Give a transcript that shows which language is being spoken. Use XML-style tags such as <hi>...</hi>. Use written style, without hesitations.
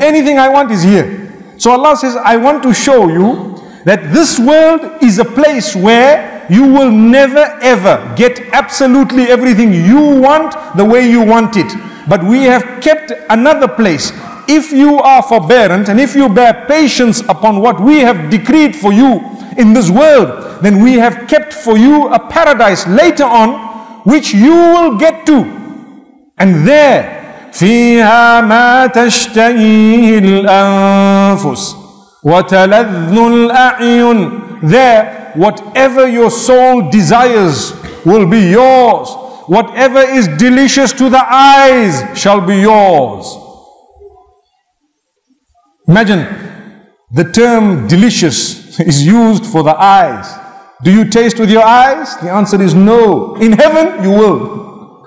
<en>Anything I want is here. So Allah says, I want to show you that this world is a place where you will never ever get absolutely everything you want the way you want it. But we have kept another place. If you are forbearant and if you bear patience upon what we have decreed for you in this world, then we have kept for you a paradise later on, which you will get to. And there,</en> <ar>فيها ما تشتهيه الأنفس وتلذ الأعين.</ar> <en>There, whatever your soul desires will be yours. Whatever is delicious to the eyes shall be yours. Imagine, the term delicious is used for the eyes. Do you taste with your eyes? The answer is no. In heaven, you will.</en>